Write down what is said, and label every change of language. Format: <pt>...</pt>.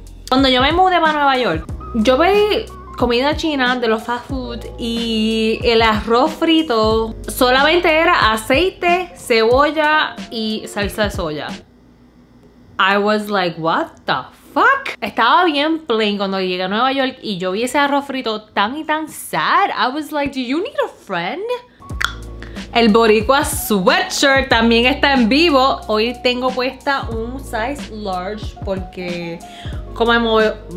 <es>Cuando yo me mudé para Nueva York, yo pedí comida china de los fast food y el arroz frito solamente era aceite, cebolla y salsa de soya.</es> <en>I was like, what the fuck?</en> <es>Estaba bien plain cuando llegué a Nueva York y yo vi ese arroz frito tan y tan sad.</es> <en>I was like, do you need a friend?</en> <es>El boricua sweatshirt también está en vivo. Hoy tengo puesta un size large porque como me muevo...</es>